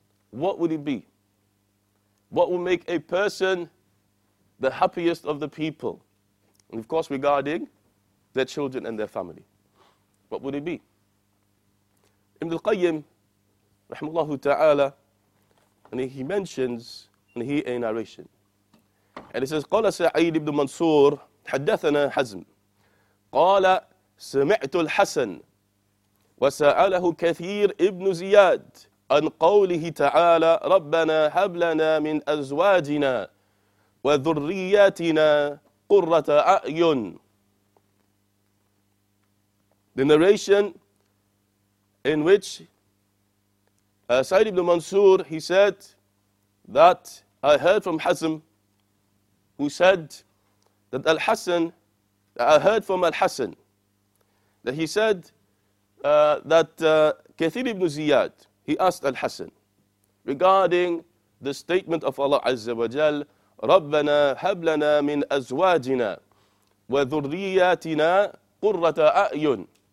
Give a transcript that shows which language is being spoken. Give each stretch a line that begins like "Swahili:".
English: What would it be? What will make a person the happiest of the people? And of course, regarding their children and their family. What would it be? Ibn al-Qayyim, rahimahullah ta'ala, and he mentions, and he a narration. And he says,
Arabic: قَالَ سَعِيدِ ibn Mansur, حَدَّثَنَا حَزْمٍ قال سمعت الحسن وسأله كثير ابن زياد عن قوله تعالى ربنا هب لنا من أزواجنا وذرياتنا قرة أعين.
English: The narration in which Sa'id ibn Mansur, he said that I heard from Hazm, who said that Al-Hasan, I heard from Al-Hassan that he said that Kathir ibn Ziyad, he asked Al-Hassan regarding the statement of Allah Azza wa Jal,
Arabic: رَبَّنَا هَبْلَنَا مِنْ أَزْوَاجِنَا وَذُرِّيَّاتِنَا قُرَّةَ أَعْيُنْ,